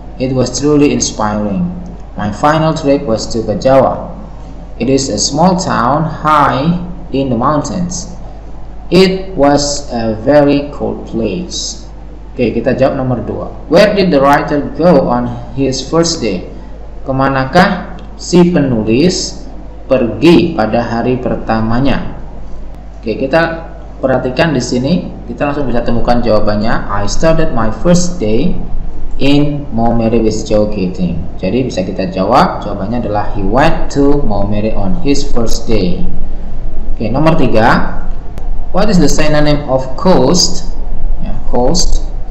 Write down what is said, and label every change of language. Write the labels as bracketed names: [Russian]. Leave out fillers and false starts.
[English] It was truly inspiring. My final trip was to Bajawa. It is a small town high in the mountains. It was a very cold place. [Indonesian] Oke, kita jawab nomor 2. [English] Where did the writer go on his first day? [Indonesian] Kemanakah si penulis pergi pada hari pertamanya? Oke, kita Perhatikan di sini, kita langsung bisa temukan jawabannya. [English] I started my first day in Maumere with Joe Keating. [Indonesian] Jadi bisa kita jawab, jawabannya adalah [English] he went to Maumere on his first day. Oke, nomor 3. What is the synonym of coast? Ya, coast.